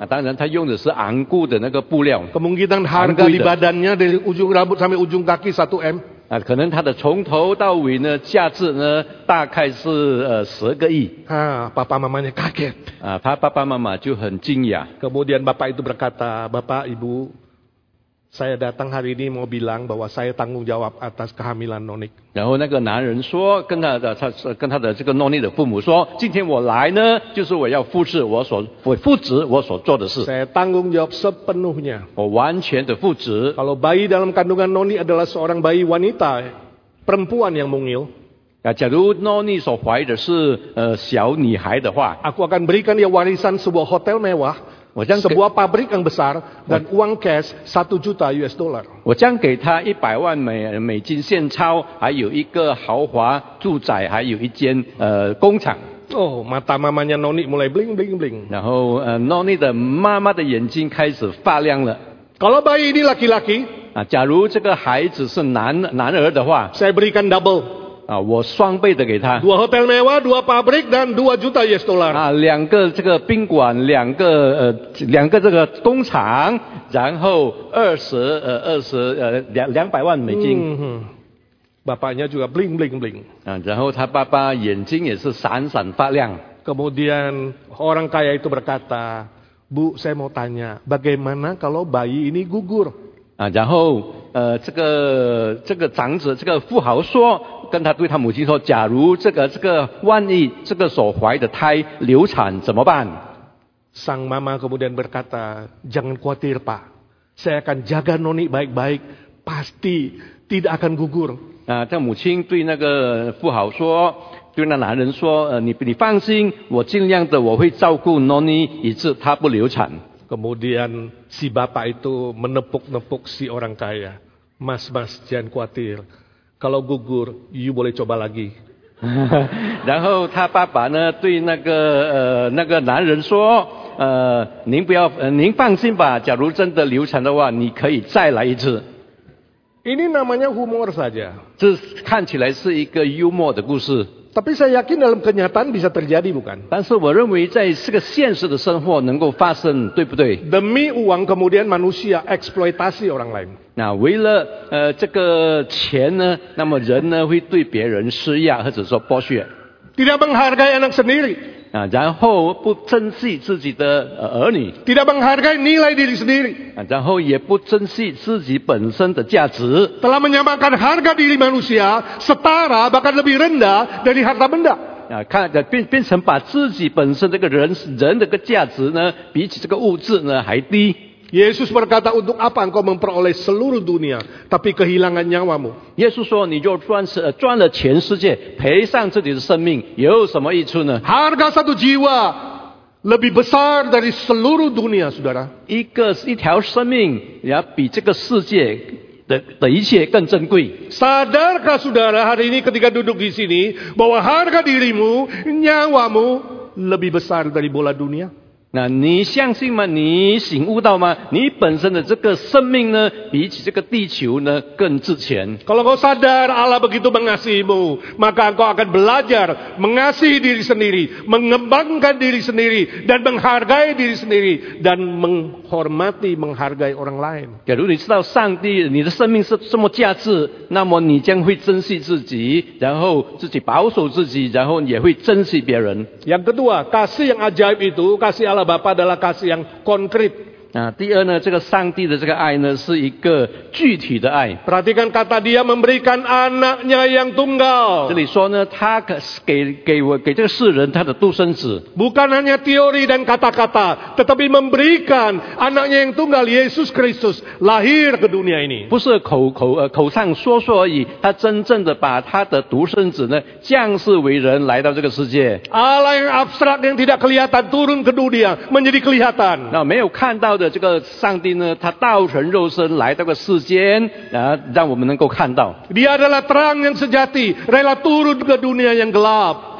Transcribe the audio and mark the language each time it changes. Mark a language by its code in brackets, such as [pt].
[zh] 当然他用的是昂贵的那个布料。 [id] Kemungkinan harga di badannya dari ujung rambut sampai ujung kaki 1M. [zh] 可能他的从头到尾呢价值呢大概是10亿。 [id] Ha, papa mamanya kaget. [zh] 他爸爸妈妈就很惊讶。 [id] Kemudian bapak itu berkata, bapak ibu. Saya datang hari ini mau bilang bahwa saya tanggung jawab atas kehamilan Nonik. [zh] 然后那个男人说，跟他的这个 Noni 的父母说，今天我来呢，就是我要复制我所做的事。 [id] Saya tanggung jawab sepenuhnya. [zh] 我完全的复制。 [id] Kalau bayi dalam kandungan Noni adalah seorang bayi wanita, perempuan yang mungil. [zh] 假如 Noni 所怀的是小女孩的话 [id] ，Aku akan berikan dia warisan sebuah hotel mewah. Sebuah pabrik yang besar dan uang cash $1 million. [zh] 我将给他100万美金现钞，还有一个豪华住宅，还有一间工厂。 [id] Oh, mata mamanya Noni mulai bling. [zh] 然后Noni 的妈妈的眼睛开始发亮了。 [id] Kalau bayi ini laki-laki, [zh] 假如这个孩子是男儿的话 [id] ，saya berikan double. [zh] 我双倍的给他。 [id] Dua hotel mewah, dua pabrik dan $2 million. [zh] 两个这个宾馆，两个这个工厂，然后200万美金。 [id] 嗯哼。Bapaknya juga bling. [zh] 然后他爸爸眼睛也是闪闪发亮。 [id] Kemudian orang kaya itu berkata, Bu, saya mau tanya, bagaimana kalau bayi ini gugur? [zh] 然后这个长子，这个富豪说。跟他对他母亲说，假如这个万一这个所怀的胎流产怎么办？ [id] Sang mama kemudian berkata, jangan khawatir pak, saya akan jaga Noni baik-baik, pasti tidak akan gugur. [zh] 他母亲对那个富豪说，对那男人说，你放心，我尽量的我会照顾 Noni 以致他不流产。 [id] Kemudian si bapak itu menepuk-nepuk si orang kaya, mas jangan khawatir. Kalau gugur, you boleh coba lagi. [zh] 然后他爸爸呢对那个男人说，您不要，您放心吧，假如真的流产的话，你可以再来一次。 [id] Ini namanya humor saja. [zh] 这看起来是一个幽默的故事。 [id] Tapi saya yakin dalam kenyataan bisa terjadi, bukan? [zh] 但是我认为在这个现实的生活能够发生，对不对？ [id] Demi uang kemudian manusia eksploitasi orang lain. [zh] 那为了这个钱呢，那么人呢会对别人施压或者说剥削。 [id] Tidak menghargai anak sendiri. [zh] 然后不珍惜自己的儿女。 [id] Tidak menghargai nilai diri sendiri. [zh] 然后也不珍惜自己本身的价值。 [id] Telah menyamakan harga diri manusia setara bahkan lebih rendah dari harta benda. [zh] 变成把自己本身这个人的个价值呢，比起这个物质呢还低。 [id] Yesus berkata, untuk apa engkau memperoleh seluruh dunia, tapi kehilangan nyawamu? [zh] Yesus 说，你就赚了全世界，赔上自己的生命，有什么益处呢？ [id] Harga satu jiwa lebih besar dari seluruh dunia, saudara. [zh] 一条生命要比这个世界的一切更珍贵。 [id] Sadarkah saudara hari ini ketika duduk di sini bahwa harga dirimu, nyawamu lebih besar dari bola dunia? [zh] 那你相信吗？你醒悟到吗？你本身的这个生命呢，比起这个地球呢更值钱。 [id] Kalau kau sadar Allah begitu mengasihimu, maka kau akan belajar mengasihi diri sendiri, mengembangkan diri sendiri, dan menghargai diri sendiri, dan menghormati, menghargai orang lain. [zh] 假如你知道上帝，你的生命是这么价值，那么你将会珍惜自己，然后自己保守自己，然后也会珍惜别人。 [id] Yang kedua, kasih yang ajaib itu, kasih Allah Bapa adalah kasih yang konkret. [zh] 第二呢，这个上帝的这个爱呢，是一个具体的爱。 [id] Perhatikan kata dia memberikan anaknya yang tunggal。 [zh] 这里说呢，他给这个世人他的独生子。 [id] Bukan hanya teori dan kata-kata, tetapi memberikan anaknya yang tunggal Yesus Kristus lahir ke dunia ini。 [zh] 不是口上说说而已，他真正的把他的独生子呢降世为人来到这个世界。 [id] Allah yang abstrak yang tidak kelihatan turun ke dunia menjadi kelihatan。 [zh] 那没有看到的这个上帝呢，他道成肉身来到个世间，让我们能够看到。 [id] Dia adalah terang yang sejati, rela turun ke dunia yang gelap。